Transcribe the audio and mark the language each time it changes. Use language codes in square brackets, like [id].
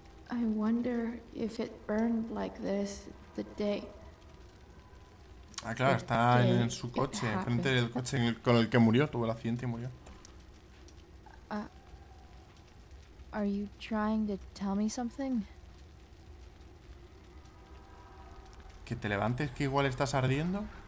[en] I wonder if it burned like this the day. [es] Ah, claro, está en su coche, frente del coche con el que murió, tuvo el accidente y murió. [en] Are you trying to tell me something? [es] Que te levantes, que igual estás ardiendo.